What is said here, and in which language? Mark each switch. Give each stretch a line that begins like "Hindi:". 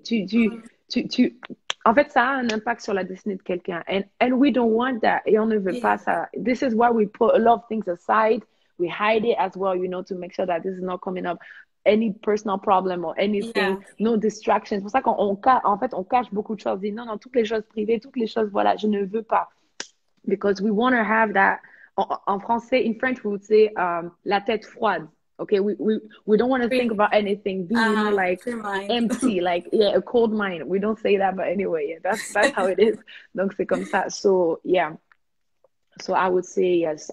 French: Tu, en fait, ça a un impact sur la destinée de quelqu'un.
English: And we don't want that.
French: Et on ne veut pas ça.
English: This is why we put a lot of things aside. We hide it as well, you know, to make sure that this is not coming up. Any personal problem or anything, no distractions.
French: C'est pour ça qu'on cache beaucoup de choses. Et non, toutes les choses privées, toutes les choses, voilà, je ne veux pas.
English: Because we want to have that,
French: en français,
English: in French, we would say,
French: la tête froide.
English: Okay, we don't want to think about anything being like empty, like yeah, a cold mind. We don't say that, but anyway, yeah, that's how it is.
French: Donc c'est comme ça.
English: So yeah. So I would say yes.